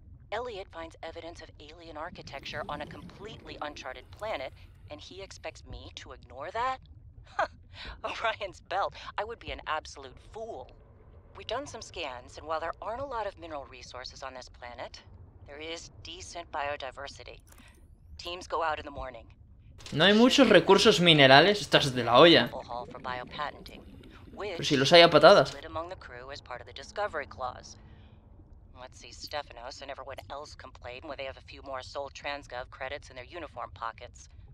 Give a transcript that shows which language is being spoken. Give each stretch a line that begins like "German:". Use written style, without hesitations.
English: Elliot finds evidence of alien architecture on a completely uncharted planet, and he expects me to ignore that? Orion's belt, I would be an absolute fool. We've done some scans, and while there aren't a lot of mineral resources on this planet, there is decent biodiversity. Teams go out in the morning.
Spanish: No hay muchos recursos minerales, estás de la olla. Pero si los hay a patadas.
English: Among the crew as part of the discovery clause. Let's see, Stephanos and everyone else complain when they have a few more Sol Transgov credits in their uniform pockets.